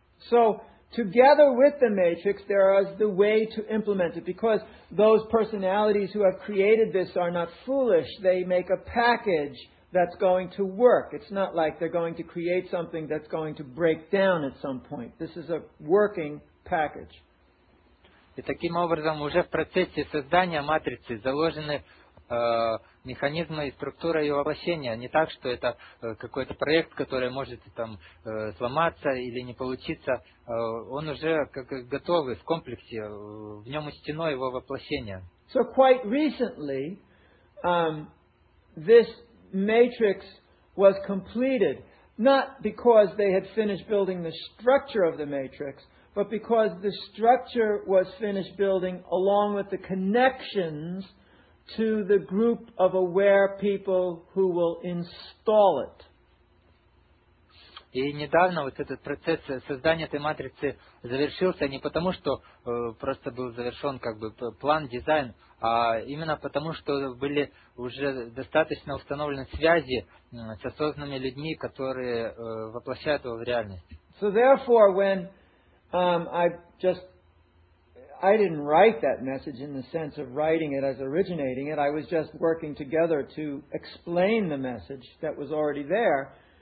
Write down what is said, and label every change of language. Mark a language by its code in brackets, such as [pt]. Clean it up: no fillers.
[en] So, together with the matrix, there is the way to implement it, because those personalities who have created this are not foolish. They make a package that's going to work. It's not like they're going to create something that's going to break down at some point. This is a working package. [ru] И таким образом, уже в процессе создания матрицы заложены механизмы и структура ее воплощения. Не так, что это какой-то проект, который может там сломаться или не получиться. Он уже как готовый в комплексе. В нем учтено его воплощение. [en] So quite recently, this matrix was completed. Not because they had finished building the structure of the matrix, but because the structure was finished building along with the connections to the group of aware people who will install it. [ru] И недавно вот этот процесс создания этой матрицы завершился не потому, что просто был завершен как бы план, дизайн, а именно потому, что были уже достаточно установлены связи с осознанными людьми, которые воплощают его в реальность. [en] So therefore, when I didn't write that message in the sense of writing it as originating it. I was just working together to explain the message that was already there.